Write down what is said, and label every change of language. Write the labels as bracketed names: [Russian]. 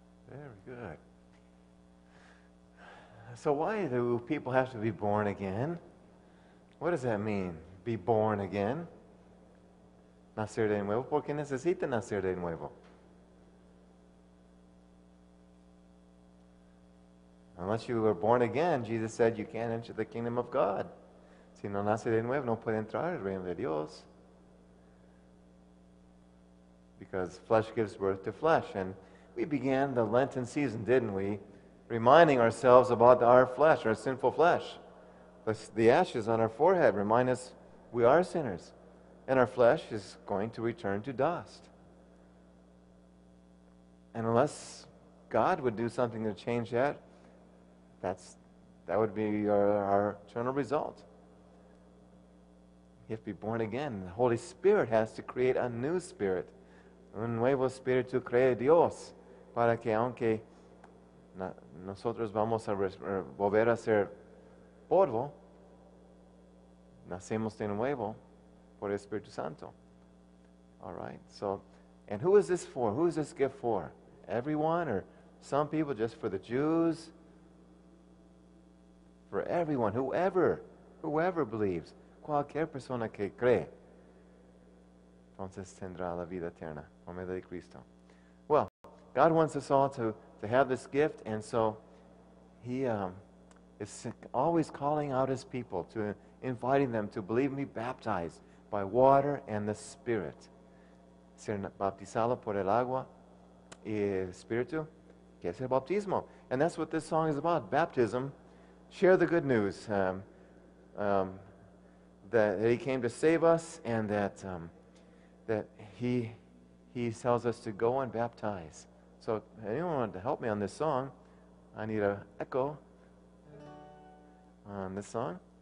[English] Very good. So why do people have to be born again? What does that mean, be born again? [Spanish] Nacer de nuevo, ¿por qué necesita nacer de nuevo? [English] Unless you were born again, Jesus said, you can't enter the kingdom of God. [Spanish] Si no nace de nuevo, no puede entrar al reino de Dios. [English] Because flesh gives birth to flesh. And we began the Lenten season, didn't we? Reminding ourselves about our flesh, our sinful flesh. The ashes on our forehead remind us we are sinners. And our flesh is going to return to dust. And unless God would do something to change that, that would be our eternal result. You have to be born again. The Holy Spirit has to create a new spirit. [Spanish] Un nuevo espíritu crea Dios. Para que aunque nosotros vamos a volver a ser polvo, nacemos de nuevo por el Espíritu Santo. [English] All right. So, and who is this for? Who is this gift for? Everyone or some people, just for the Jews? For everyone, whoever believes, [Spanish] cualquier persona que cree, entonces tendrá la vida eterna, por medio de Cristo. [English] Well, God wants us all to have this gift, and so he is always calling out his people, to inviting them to believe and be baptized by water and the Spirit. [Spanish] Ser bautizado por el agua y el Espíritu, que es el bautismo. [English] And that's what this song is about, baptism. Share the good news that he came to save us, and that he tells us to go and baptize. So anyone want to help me on this song? I need an echo on this song.